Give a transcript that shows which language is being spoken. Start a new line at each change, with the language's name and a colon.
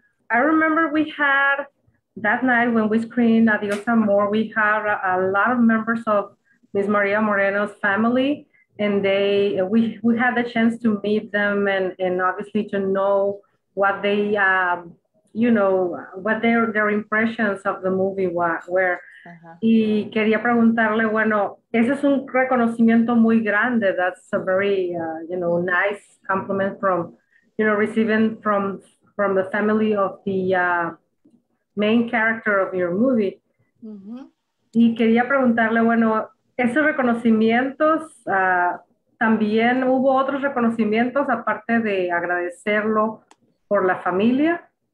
English: I remember we had that night when we screened Adios Amor, we had a lot of members of Miss Maria Moreno's family, and we had the chance to meet them and obviously to know what they, you know, what their impressions of the movie were.
Spanish: Uh-huh. Y quería preguntarle, bueno, ese es un reconocimiento muy grande.
English: That's a very, you know, nice compliment from, you know, receiving from the family of the main character of your movie. Mm-hmm.
Spanish: Y quería preguntarle, bueno, esos reconocimientos, ¿también hubo otros reconocimientos aparte de agradecerlo por la familia?